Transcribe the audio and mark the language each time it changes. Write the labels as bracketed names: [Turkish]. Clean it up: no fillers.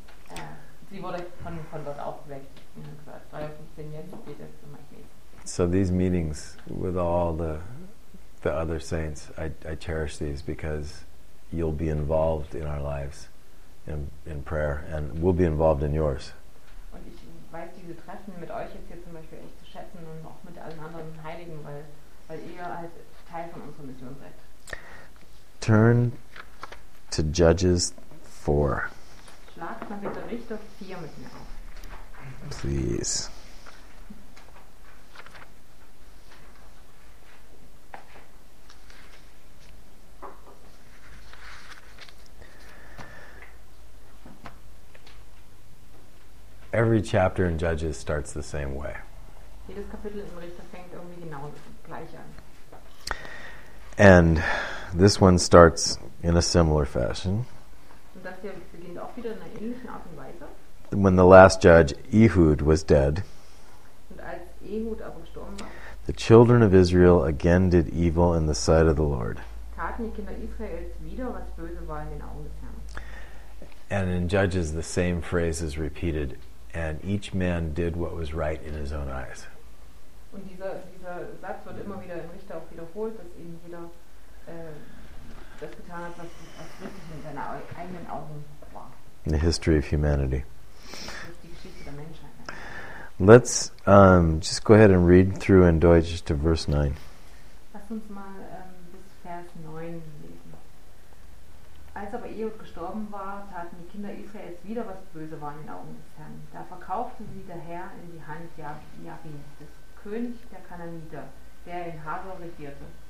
[German] Und sie wurde von dort aufgeweckt. Und gesagt, 3:15 jetzt geht es um mein Leben. [English] So these meetings with all the other saints, I cherish these because you'll be involved in our lives in prayer, and we'll be involved in yours. [German] Und ich weiß diese Treffen mit euch jetzt hier zum Beispiel echt zu schätzen und auch mit allen anderen Heiligen, weil ihr halt Teil von unserer Mission seid. [English] Turn to Judges 4. [German] Schlag mal bitte Richter 4 mit mir auf. [English] Please. Every chapter in Judges starts the same way. [German] Jedes Kapitel im Richter fängt irgendwie genau gleich an. [English] And this one starts in a similar fashion. [German] Und das hier beginnt auch wieder in einer ähnlichen Art und Weise. [English] When the last judge, Ehud, was dead, [German] und als Ehud aber gestorben war, [English] the children of Israel again did evil in the sight of the Lord. [German] Taten die Kinder Israels wieder, was böse war in den Augen des Herrn. [English] And in Judges, the same phrase is repeated. And each man did what was right in his own eyes. [German] Und dieser Satz wird immer wieder im Richter auch wiederholt, dass eben jeder das getan hat, was richtig in seinen eigenen Augen war. [English] In the history of humanity. [German] Das ist die Geschichte der Menschheit. [English] Let's just go ahead and read through in Deutsch to verse 9. [German] Lass uns mal bis Vers 9 lesen. Als aber Ehud gestorben war, taten die Kinder Israels wieder, was böse war in den Augen des Herrn. Da verkaufte sie der Herr in die Hand Jabin, des Königs der Kananiter, der in Hazor regierte.